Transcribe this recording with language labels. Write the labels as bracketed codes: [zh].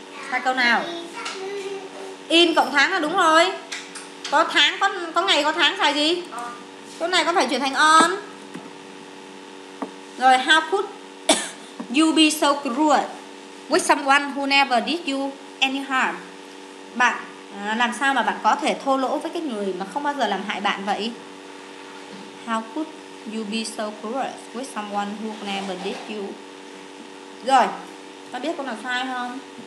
[vi] Sai câu nào? In cộng tháng là đúng rồi. Có tháng, có ngày, có tháng sai gì? Câu này có phải chuyển thành on. [en] Rồi, how could you be so cruel with someone who never did you any harm? [vi] Bạn làm sao mà bạn có thể thô lỗ với cái người mà không bao giờ làm hại bạn vậy? [en] How could you be so cruel with someone who never did you? [vi] Rồi, có biết câu nào sai không?